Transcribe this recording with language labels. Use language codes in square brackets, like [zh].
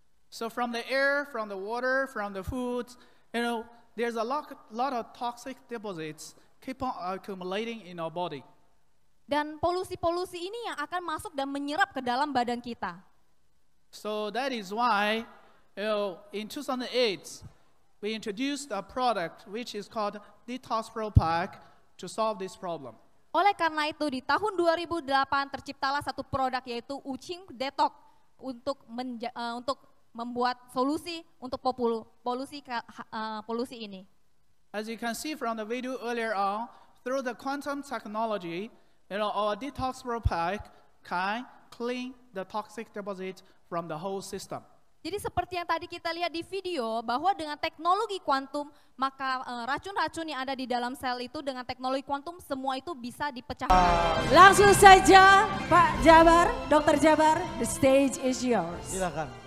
[en] So from the air, from the water, from the food, you know, there's a lot of toxic deposits keep on accumulating in our body. [id] Dan polusi-polusi ini yang akan masuk dan menyerap ke dalam badan kita. [en] So that is why, you know, in 2008, we introduced a product which is called Detox Pro Pack to solve this problem. [id] Oleh karena itu, di tahun 2008 terciptalah satu produk yaitu Uching Detox untuk membuat solusi untuk polusi ini. [en] As you can see from the video earlier on, through the quantum technology, you know, our Detox Pro Pack can clean the toxic deposit from the whole system. [id] Jadi seperti yang tadi kita lihat di video, bahwa dengan teknologi kuantum, maka racun-racun yang ada di dalam sel itu dengan teknologi kuantum, semua itu bisa dipecahkan. Langsung saja Pak Jabar, Dr. Jabar, [en] the stage is yours. [id] Silakan.